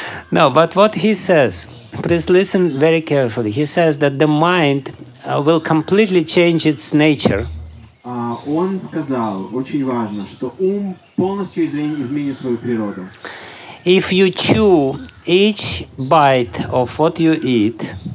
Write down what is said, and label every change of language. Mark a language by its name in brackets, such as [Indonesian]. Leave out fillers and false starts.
[English] No, but what he says, please listen very carefully. He says that the mind will completely change its nature. [Russian] Он сказал, очень важно, что ум полностью изменит свою природу. [English] If you chew each bite of what you eat,